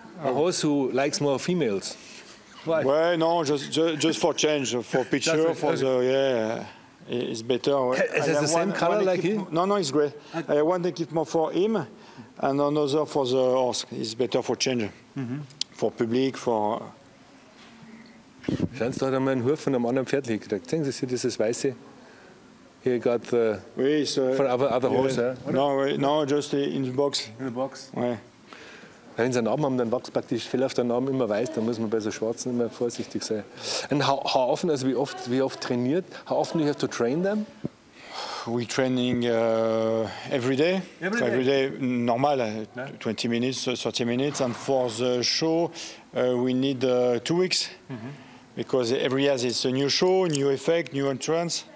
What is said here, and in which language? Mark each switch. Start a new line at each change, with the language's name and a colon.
English: A horse who likes more females. Why? Well, no, just for change, for picture, right. For the, yeah, it's better. Is it the same color like him? No, it's gray. Okay. I want to keep more for him, and another for the horse. It's better for change, mm-hmm. For public, for...
German: Schanz, da hat er mal einen Huf von einem anderen Pferd gekriegt. Sehen Sie, hier dieses weiße.
English: He got the... For other horse, yeah. No, just in the box. In the box? Yeah.
German: Wenn sie einen Namen haben, dann wächst praktisch viel auf der Name immer weiß, dann muss man bei so Schwarzen immer vorsichtig sein.
English: And how often,
German: also wie oft trainiert,
English: how often do you have to train them? We training every day. Every day? Every day, normal, 20 minutes, 30 minutes. And for the show, we need 2 weeks. Mm-hmm. Because every year it's a new show, new effect, new entrance.